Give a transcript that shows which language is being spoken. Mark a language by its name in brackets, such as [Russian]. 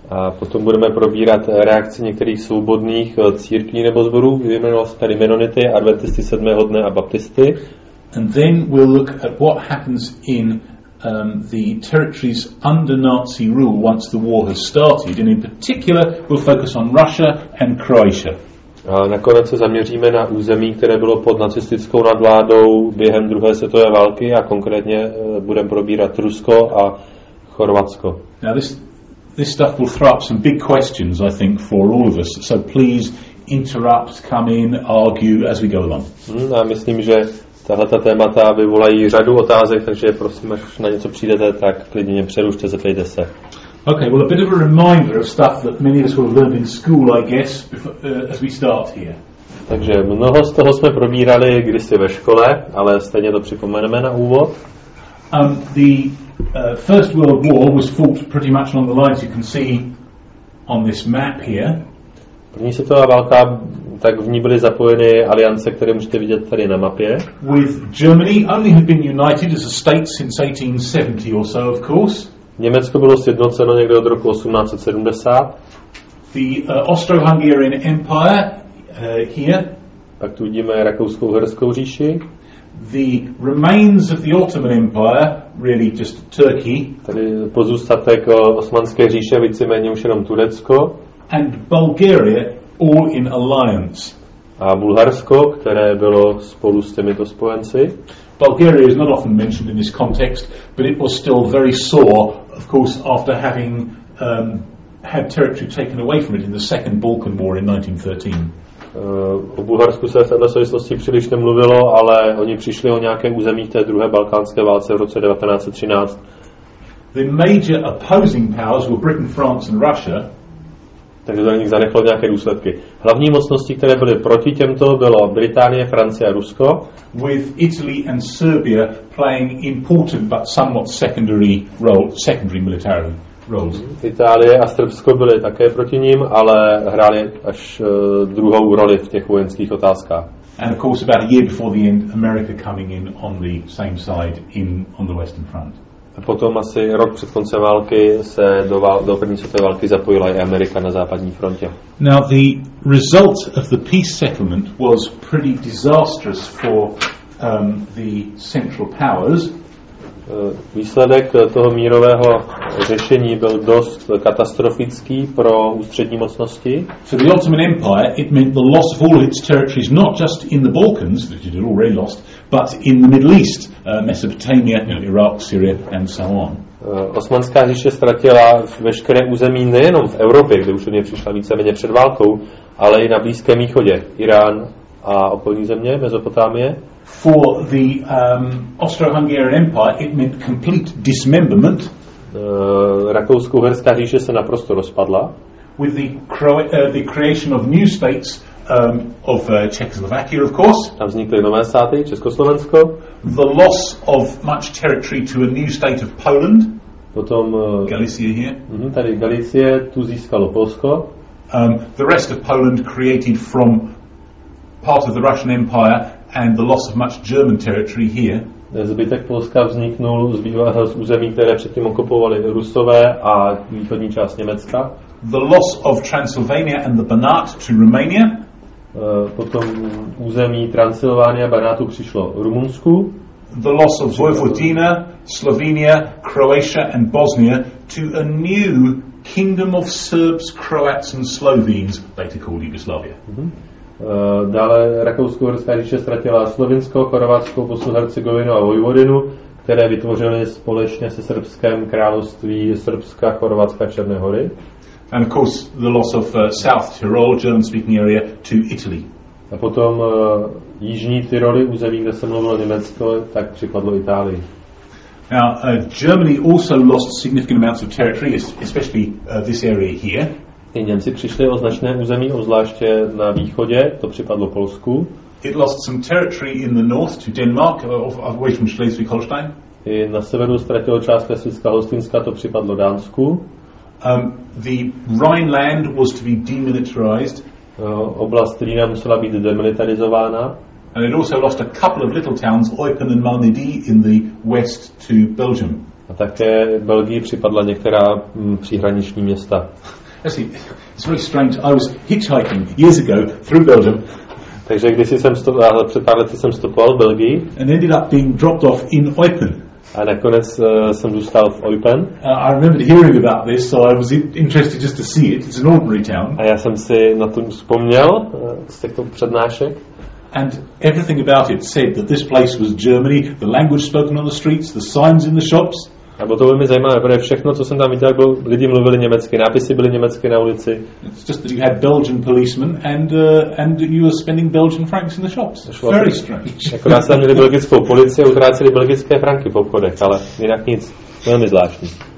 [Czech] A potom budeme probírat reakci některých svobodných církví nebo zborů, vyjmenoval se tady Mennonity, Adventisty sedmého dne a Baptisty. [English] And then we'll look at what happens in the territories under Nazi rule once the war has started, and in particular we'll focus on Russia and Croatia. [Czech] A nakonec se zaměříme na území, které bylo pod nacistickou nadvládou během druhé světové války a konkrétně budeme probírat Rusko a Chorvatsko. [English] Now this stuff will throw up some big questions, I think, for all of us. So please interrupt, come in, argue as we go along. [Czech] Já myslím, že tahleta témata vyvolají řadu otázek, takže prosím, až na něco přijdete, tak klidně přerušte, zeptejte se. [English] Okay, well, a bit of a reminder of stuff that many of us will have learned in school, I guess, as we start here. [Czech] Takže mnoho z toho jsme probírali kdysi ve škole, ale stejně to připomeneme na úvod. [English] The First World War was fought pretty much along the lines you can see on this map here. [Czech] První světová válka, tak v ní byly zapojeny aliance, které můžete vidět tady na mapě. [English] With Germany only had been united as a state since 1870 or so, of course. [Czech] Německo bylo sjednoceno někde od roku 1870. [English] The Austro-Hungarian Empire here. [Czech] Pak tu vidíme Rakousko-Uherskou říši. [English] The remains of the Ottoman Empire, really just Turkey. [Czech] Tady pozůstatek Osmanské říše, víceméně už jenom Turecko. [English] And Bulgaria, all in alliance. [Czech] A Bulharsko, které bylo spolu s těmito spojenci. [English] Bulgaria is not often mentioned in this context, but it was still very sore, of course, after having had territory taken away from it in the Second Balkan War in 1913. [Czech] O Bulharsku se v této souvislosti příliš nemluvilo, ale oni přišli o nějaké území té druhé balkánské válce v roce 1913. [English] The major opposing powers were Britain, France and Russia. [Czech] Takže to na nich zanechlo nějaké důsledky. Hlavní mocnosti, které byly proti těmto, bylo Británie, Francie a Rusko. [English] With Italy and Serbia playing important but somewhat secondary role, secondary military roles. [Czech] Itálie a Srbsko byly také proti ním, ale hrály až druhou roli v těch vojenských otázkách. [English] And of course about a year before the end, America coming in on the same side on the Western Front. [Czech] potom asi rok před koncem války se do první světové války zapojila i Amerika na západní frontě. [English] Now the result of the peace settlement was pretty disastrous for the Central Powers. [Czech] Výsledek toho mírového řešení byl dost katastrofický pro ústřední mocnosti. [English] For the Ottoman Empire, it meant the loss of all its territories, not just in the Balkans, which it had already lost, but in the Middle East, Mesopotamia, you know, Iraq, Syria, and so on. [Czech] Osmanská říše ztratila veškeré území nejenom v Evropě, kde už o ně přišla víceméně před válkou, ale i na Blízkém východě, Irán a okolní země, Mezopotámie. [English] For the Austro-Hungarian Empire, it meant complete dismemberment. [Czech] Rakousko-Uherská říše se naprosto rozpadla. [English] With the creation of new states of Czechoslovakia, of course. [Czech] Tam vznikly nové státy, Československo. [English] The loss of much territory to a new state of Poland. [Czech] Potom [English] Galicia here. [Czech] Tady Galicie, tu získalo Polsko. [English] The rest of Poland created from part of the Russian Empire. And the loss of much German territory here. [Czech] Zbytek Polska vzniknul z území, které předtím okupovali Rusové a východní část Německa. [English] The loss of Transylvania and the Banat to Romania. [Czech] Potom území Transylvánie a Banátu přišlo Rumunsku. [English] The loss of Vojvodina, Slovenia, Croatia and Bosnia to a new kingdom of Serbs, Croats and Slovenes, later called Yugoslavia. [Czech] Dále Rakousko-Uherská říše ztratila Slovinsko, Chorvatsko, Bosnu-Hercegovinu a Vojvodinu, které vytvořily společně se Srbském království Srbska, Chorvatska a Černé hory. [English] And of course the loss of South Tyrol, German-speaking area, to Italy. [Czech] A potom jižní Tyroly, území, kde se mluvilo Německo, tak připadlo Itálii. [English] Now Germany also lost significant amounts of territory, especially this area here. [Czech] I Němci přišli o značné území, obzvláště na východě, to připadlo Polsku. [English] It lost some territory in the north to Denmark, of which Schleswig-Holstein. [Czech] I na severu ztratilo část Schleswig-Holsteinska, to připadlo Dánsku. [English] The Rhineland was to be demilitarized. [Czech] Oblast Rýna musela být demilitarizována. [English] And it also lost a couple of little towns, Eupen and Malmedy, in the west to Belgium. [Czech] A také Belgii připadla některá příhraniční města. [English] It's very strange. I was hitchhiking years ago through Belgium. [Czech] Takže když jsem před pár lety jsem stopoval v Belgii. [English] And ended up being dropped off in Eupen. [Czech] A nakonec jsem zůstal v Eupen. [English] I remember hearing about this, so I was interested just to see it. It's an ordinary town. [Czech] A já jsem si na to vzpomněl z těchto přednášek. [English] And everything about it said that this place was Germany. The language spoken on the streets, the signs in the shops. [Czech] A bylo to velmi zajímavé, protože všechno, co jsem tam viděl, bylo, lidi mluvili německy, nápisy byly německy na ulici. [English] It's just that you had Belgian policemen and you were spending Belgian francs in the shops. Very strange. [Czech] Akorát jsem měli belgickou policii a utráceli belgické franky v obchodech, ale jinak nic, velmi zvláštní.